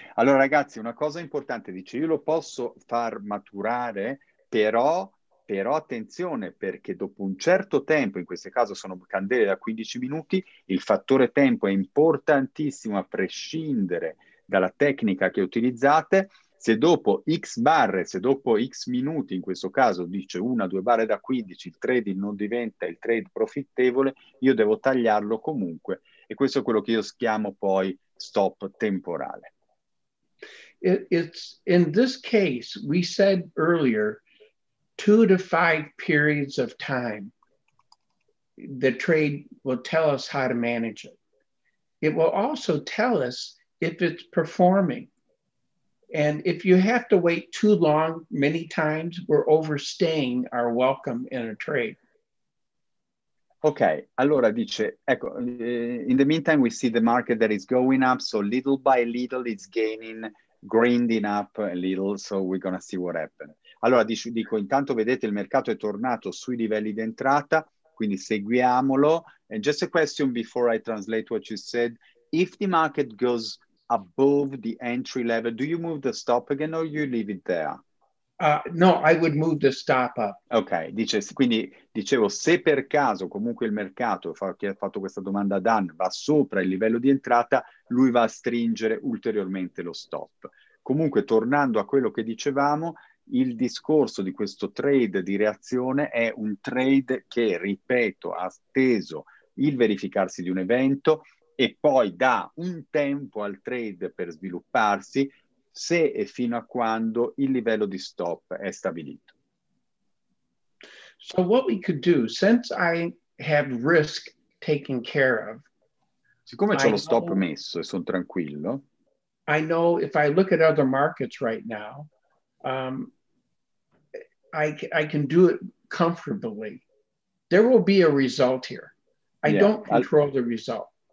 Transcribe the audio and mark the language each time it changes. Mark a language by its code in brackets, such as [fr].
[it] Allora, ragazzi, una cosa importante, dice, io lo posso far maturare, però attenzione, perché dopo un certo tempo, in questo caso sono candele da 15 minuti, il fattore tempo è importantissimo a prescindere dalla tecnica che utilizzate. Se dopo X barre, se dopo X minuti, in questo caso dice una, due barre da 15, il trading non diventa il trade profittevole, io devo tagliarlo comunque. E questo è quello che io chiamo poi stop temporale. [en] It's in this case, we said earlier, 2 to 5 periods of time, the trade will tell us how to manage it. It will also tell us if it's performing. And if you have to wait too long, many times we're overstaying our welcome in a trade. [it] Ok, allora dice, ecco, [en] in the meantime we see the market that is going up, so little by little it's gaining, grinding up a little, so we're gonna see what happens. [it] Allora dico, intanto vedete il mercato è tornato sui livelli d'entrata, quindi seguiamolo. [en] And just a question before I translate what you said, if the market goes above the entry level, do you move the stop again or you leave it there? No, I would move the stop up. [it] Ok, dice, quindi dicevo, se per caso comunque il mercato, chi ha fatto questa domanda a Dan, va sopra il livello di entrata, lui va a stringere ulteriormente lo stop. Comunque, tornando a quello che dicevamo, il discorso di questo trade di reazione è un trade che, ripeto, ha atteso il verificarsi di un evento e poi dà un tempo al trade per svilupparsi, se e fino a quando il livello di stop è stabilito. [en] So what we could do, since I have risk taken care of, [it] siccome c'ho lo stop messo e sono tranquillo, [en] I know if I look at other markets right now, I can do it comfortably. There will be a result here. Don't control the result.